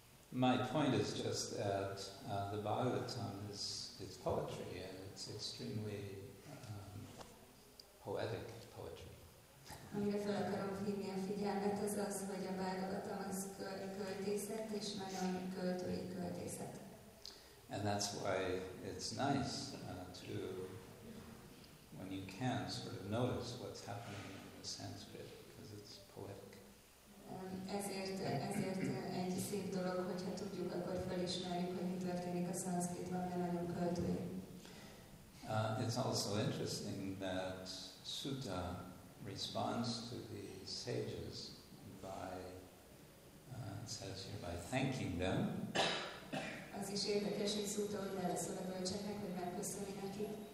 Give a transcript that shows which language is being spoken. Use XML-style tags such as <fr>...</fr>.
<en>My point is just that the Bhagavatam is poetry, and it's extremely poetic poetry.</en> <hu>Amire fel akarom hívni a figyelmet, az az, hogy a Bhagavatam az költészet, és nagyon költői költészet.</hu> <en>And that's why it's nice to, when you can, sort of notice what's happening in the Sanskrit, because it's poetic.</en> <hu>Ezért egy szép dolog, hogyha tudjuk, akkor felismerjük, hogy mi történik a Sanskritban, mert nagyon költői.</hu> <en>It's also interesting that Sutta responds to the sages by, it says here, by thanking them.</en> <hu>Az is érdekes, hogy Sutta úgy válaszol a bölcseknek, hogy megköszöni nekik.</hu>